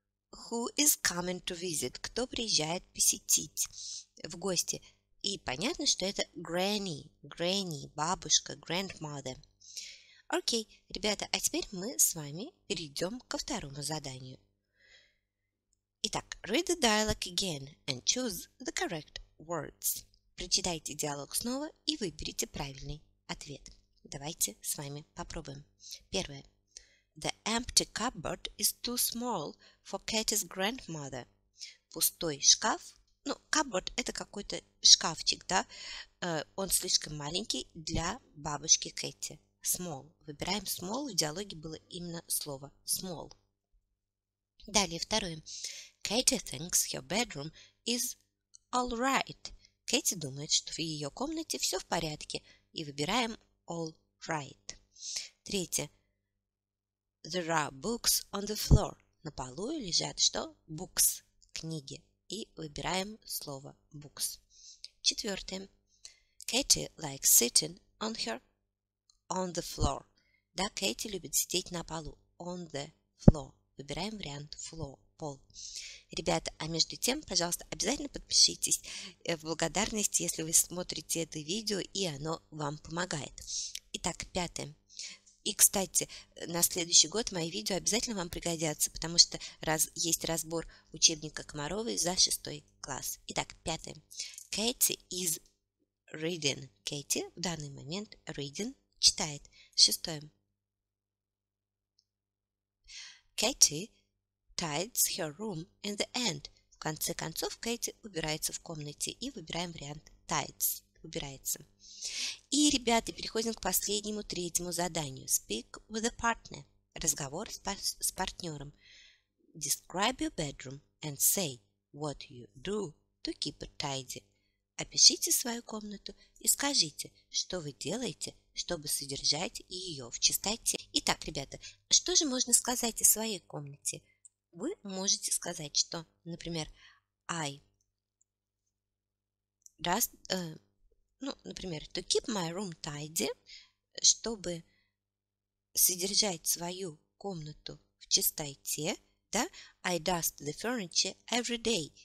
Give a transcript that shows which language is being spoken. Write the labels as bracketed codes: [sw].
[en] Who is coming to visit? [ru] Кто приезжает посетить в гости? И понятно, что это granny. Granny, бабушка, grandmother. Окей, ребята, а теперь мы с вами перейдем ко второму заданию. [en] Итак, read the dialogue again and choose the correct words. [ru] Прочитайте диалог снова и выберите правильный ответ. Давайте с вами попробуем. Первое. [en] The empty cupboard is too small for Katie's grandmother. [ru] Пустой шкаф. Ну, cupboard – это какой-то шкафчик, да? Он слишком маленький для бабушки Кэти. Small. Выбираем small. В диалоге было именно слово small. Далее, второе. [en] Katie thinks her bedroom is all right. [ru] Кэти думает, что в ее комнате все в порядке. И выбираем all right. Третье. [en] There are books on the floor. [ru] На полу лежат что? [en] Books. Книги. [ru] И выбираем слово books. Четвертое. [en] Katie likes sitting on her on the floor. [ru] Да, Кэти любит сидеть на полу. [en] On the floor. [ru] Выбираем вариант floor. Пол. Ребята, а между тем, пожалуйста, обязательно подпишитесь в благодарности, если вы смотрите это видео, и оно вам помогает. Итак, пятое. И, кстати, на следующий год мои видео обязательно вам пригодятся, потому что есть разбор учебника Комаровой за шестой класс. Итак, пятое. [en] Katie is reading. [ru] Katie в данный момент reading читает. Шестое. [en] Katie tidies her room in the end. [ru] В конце концов, Кэти убирается в комнате. И выбираем вариант tidies. Убирается. И, ребята, переходим к последнему, третьему заданию. [en] Speak with a partner. [ru] Разговор с партнером. [en] Describe your bedroom and say what you do to keep it tidy. [ru] Опишите свою комнату и скажите, что вы делаете, чтобы содержать ее в чистоте. Итак, ребята, что же можно сказать о своей комнате? Вы можете сказать, что, например, [en] to keep my room tidy, [ru] чтобы содержать свою комнату в чистоте, да, [en] I dust the furniture every day.